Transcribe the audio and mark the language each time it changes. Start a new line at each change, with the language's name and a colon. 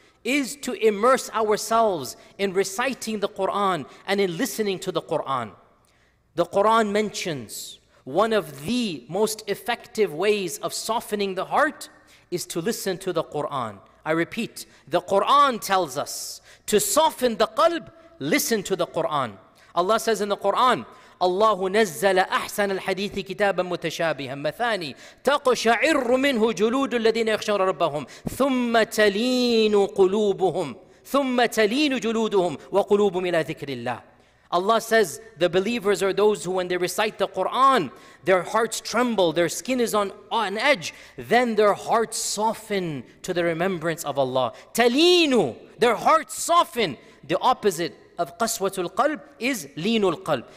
English: is to immerse ourselves in reciting the Quran and in listening to the Quran. The Quran mentions one of the most effective ways of softening the heart is to listen to the Quran. I repeat, the Quran tells us to soften the qalb, listen to the Quran. Allah says in the Quran,
Arabic: الله نزل أحسن الحديث كتابا متشابها مثاني تقشعر منه جلود الذين يخشون ربهم ثم تلين قلوبهم ثم تلين جلودهم وقلوبهم إلى ذكر الله.
English: Allah says the believers are those who, when they recite the Quran, their hearts tremble, their skin is on edge, then their hearts soften to the remembrance of Allah. تلينوا, their hearts soften. The opposite of qaswatul qalb is linul qalb.